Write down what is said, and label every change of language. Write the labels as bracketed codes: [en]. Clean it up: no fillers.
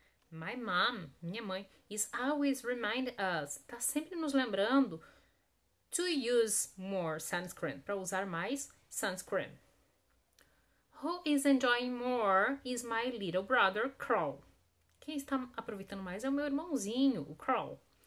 [en] My mom, [pt] minha mãe, [en] is always reminding us, [pt] está sempre nos lembrando [en] to use more sunscreen, [pt] para usar mais [en] sunscreen. Who is enjoying more is my little brother, Carl. [pt] Quem está aproveitando mais é o meu irmãozinho, o Carl.